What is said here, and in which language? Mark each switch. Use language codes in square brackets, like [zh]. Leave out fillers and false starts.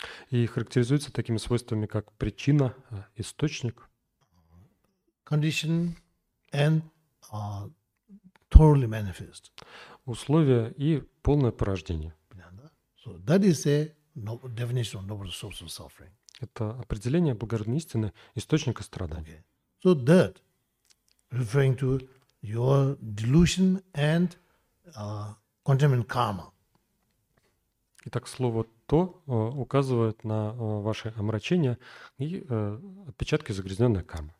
[ru] И характеризуется такими свойствами, как причина, источник. [en] Condition and totally manifest. [ru] Условия и полное порождение. [en] So that is a definition of noble source of suffering. [ru] Это определение благородной истины источника страдания. [en] Okay. So that referring to your delusion and contaminant karma. [ru] Итак, слово то указывает на ваши омрачения и отпечатки загрязненной кармы.